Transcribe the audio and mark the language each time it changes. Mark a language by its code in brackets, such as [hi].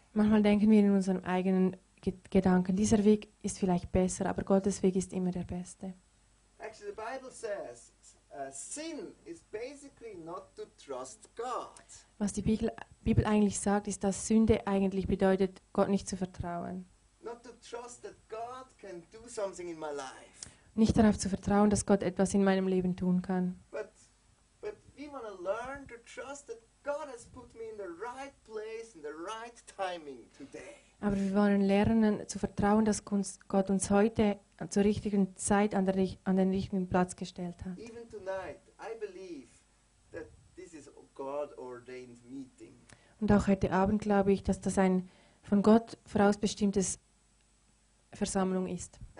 [de] Manchmal denken wir in unserem eigenen Gedanken, dieser Weg ist vielleicht besser, aber Gottes Weg ist immer der beste. [en] Actually, the Bible says sin is basically not to trust God. [de] Was die Bibel eigentlich sagt, ist, dass Sünde eigentlich bedeutet, Gott nicht zu vertrauen. [en] Not to trust that God can do something in my life. [de] Nicht darauf zu vertrauen, dass Gott etwas in meinem Leben tun kann. [en] But we want to learn to trust that God has put me in the right place in the right timing today. [de] Aber wir wollen lernen zu vertrauen, dass Gott uns heute zur richtigen Zeit an den richtigen Platz gestellt hat. [en] Even tonight, I believe that this is a God-ordained meeting. [de] Und auch heute Abend glaube ich, dass das ein von Gott vorausbestimmtes Versammlung ist.